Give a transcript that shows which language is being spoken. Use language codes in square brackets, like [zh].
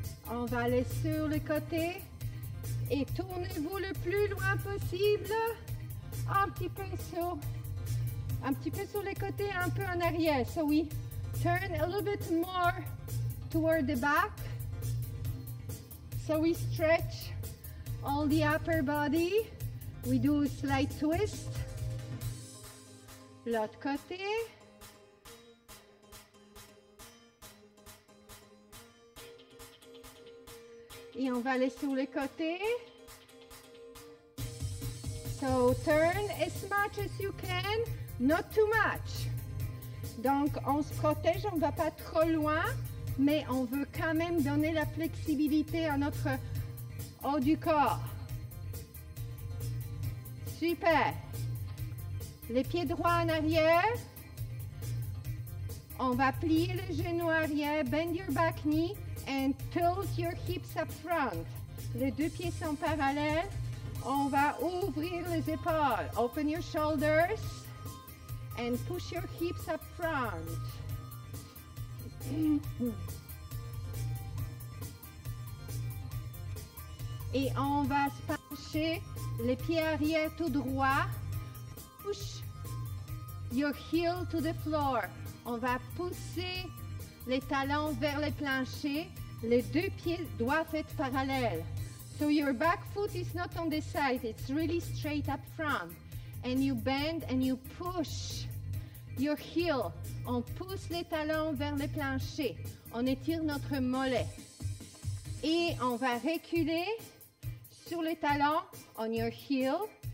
[fr] On va aller sur le côté et tournez-vous le plus loin possible. Un petit peu sur les côtés, un peu en arrière. [en] So we turn a little bit more toward the back. So we stretch all the upper body. We do a slight twist. [fr] L'autre côté. Et on va aller sur le côté. [en] So turn as much as you can, not too much. [fr] Donc on se protège, on ne va pas trop loin, mais on veut quand même donner la flexibilité à notre haut du corps. Super. Les pieds droits en arrière. On va plier les genoux arrière. [en] Bend your back knee and tilt your hips up front. [fr] Les deux pieds sont parallèles. On va ouvrir les épaules. [en] Open your shoulders and push your hips up front. [fr] Et on va se pencher les pieds arrière tout droit. [en] Push your heel to the floor. [fr] On va pousser les talons vers le plancher. Les deux pieds doivent être parallèles. [en] So your back foot is not on the side, it's really straight up front. And you bend and you push your heel. [fr] On pousse les talons vers le plancher. On étire notre mollet. Et on va reculer sur les talons, [en] on your heel.